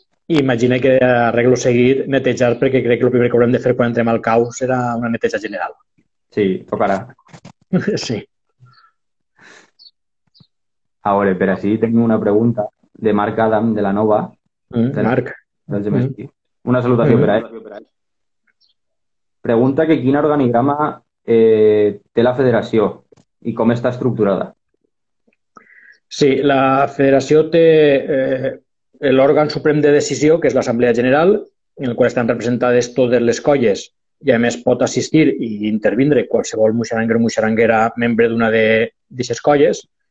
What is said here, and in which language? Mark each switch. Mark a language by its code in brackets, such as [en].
[ca] Imagina que arreglo seguit netejar, perquè crec que el primer que haurem de fer quan entrem al cau serà una neteja general. Sí, tocarà. Sí. [es] Ahora, pero sí, tengo una pregunta de Marc Adam, de la Nova, Marc. del GMSI. Una salutación para él. [ca] Pregunta que quin organigrama té la federació i com està estructurada. Sí, la federació té l'òrgan suprem de decisió, que és l'Assemblea General, en el qual estan representades totes les colles, i a més pot assistir i intervindre qualsevol muixeranguer o muixeranguera membre d'una d'aquestes colles.